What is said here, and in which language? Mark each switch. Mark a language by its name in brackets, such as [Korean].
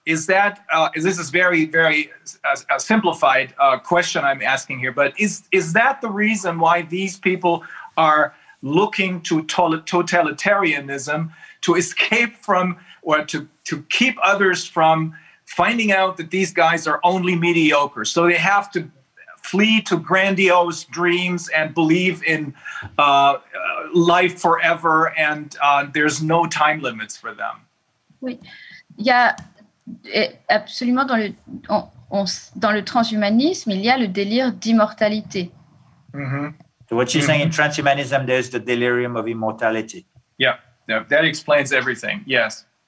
[English] Is that, this is very, very simplified question I'm asking here, but is that the reason why these people are looking to totalitarianism to escape from, or to keep others from finding out that these guys are only mediocre? So they have to flee to grandiose dreams and believe in life forever, and there's no time limits for them. [French] Oui, il y a absolument dans dans le transhumanisme, il y a le délire d'immortalité. Mm-hmm. [English] So what you're saying, in transhumanism, there's the delirium of immortality. Yeah, that explains everything, yes.